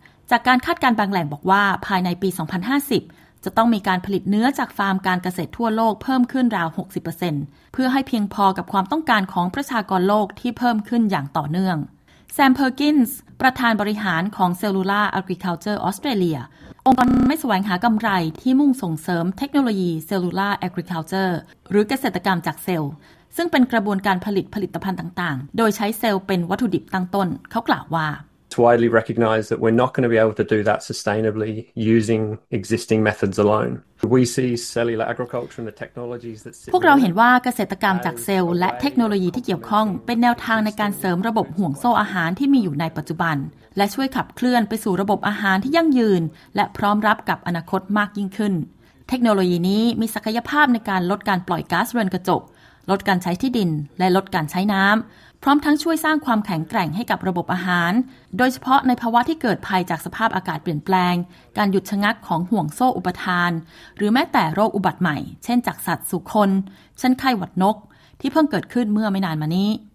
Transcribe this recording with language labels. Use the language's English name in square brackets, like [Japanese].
[Thai] จากการคาดการณ์บางแหล่งบอกว่าภายในปี2050จะต้องมีการผลิตเนื้อจากฟาร์มการเกษตรทั่วโลกเพิ่มขึ้นราว 60% เพื่อให้เพียงพอกับความต้องการของประชากรโลกที่เพิ่มขึ้นอย่างต่อเนื่องแซมเพอร์กินส์ประธานบริหารของ Cellular Agriculture Australia องค์กรไม่แสวงหากำไรที่มุ่งส่งเสริมเทคโนโลยี Cellular Agriculture หรือเกษตรกรรมจากเซลล์ซึ่งเป็นกระบวนการผลิตผลิตภัณฑ์ต่างๆโดยใช้เซลล์เป็นวัตถุดิบตั้งต้นเขากล่าวว่า [English] Widely recognized that we're not going to be able to do that sustainably using existing methods aloneWe see cellular agriculture and the technologies that [Thai] พวกเราเห็นว่าเกษตรกรรมจากเซลล์และเทคโนโลยีที่เกี่ยวข้องเป็นแนวทางในการเสริมระบบห่วงโซ่อาหารที่มีอยู่ในปัจจุบันและช่วยขับเคลื่อนไปสู่ระบบอาหารที่ยั่งยืนและพร้อมรับกับอนาคตมากยิ่งขึ้น เทคโนโลยีนี้มีศักยภาพในการลดการปล่อยก๊าซเรือนกระจกลดการใช้ที่ดินและลดการใช้น้ำพร้อมทั้งช่วยสร้างความแข็งแกร่งให้กับระบบอาหารโดยเฉพาะในภาวะที่เกิดภัยจากสภาพอากาศเปลี่ยนแปลงการหยุดชะงักของห่วงโซ่อุปทานหรือแม้แต่โรคอุบัติใหม่เช่นจากสัตว์สู่คนเช่นไข้หวัดนกที่เพิ่งเกิดขึ้นเมื่อไม่นานมานี้